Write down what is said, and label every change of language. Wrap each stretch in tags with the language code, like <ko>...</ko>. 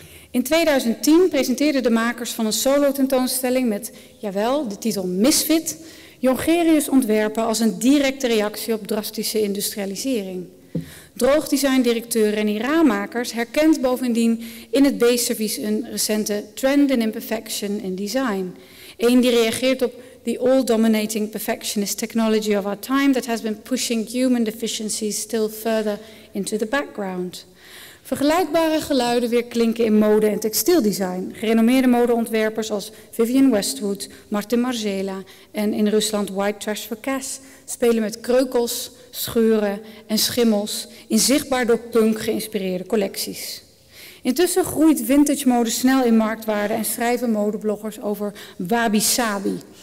<nl>In 2010 presenteerden de makers van een solo tentoonstelling met, jawel, de titel Misfit, Jongerius ontwerpen als een directe reactie op drastische industrialisering. Droogdesigndirecteur Renny Ramakers herkent bovendien in het B-servies een recente trend in</nl> <en>imperfection in design.</en> <nl>Eén die reageert op</nl> <en>the all-dominating perfectionist technology of our time that has been pushing human deficiencies still further into the background.</en> <nl>Vergelijkbare geluiden weer klinken in mode- en textieldesign. Gerenommeerde modeontwerpers als Vivian Westwood, Martin Margiela en in Rusland White Trash for Cash spelen met kreukels, scheuren en schimmels in zichtbaar door punk geïnspireerde collecties. Intussen groeit vintage mode snel in marktwaarde en schrijven modebloggers over wabi-sabi.</nl>